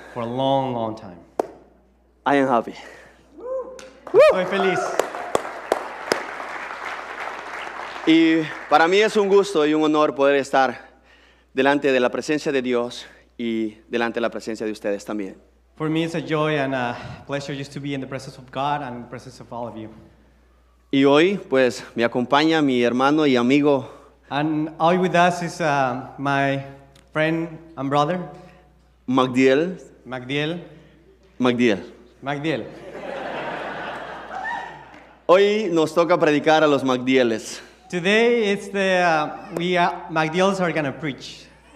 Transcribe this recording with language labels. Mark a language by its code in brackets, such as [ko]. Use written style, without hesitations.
[en] For a long, long time. I am happy. [es] Woo! Estoy feliz. Y para mí es un gusto y un honor poder estar delante de la presencia de Dios y delante de la presencia de ustedes también. [en] For me, it's a joy and a pleasure just to be in the presence of God and the presence of all of you. [es] Y hoy, pues, me acompaña mi hermano y amigo. [en] And all with us is my friend and brother. Magdiel. Magdiel. Magdiel. Magdiel. [es] Hoy nos toca predicar a los Magdieles. [en] Today it's the Magdiels are going to preach.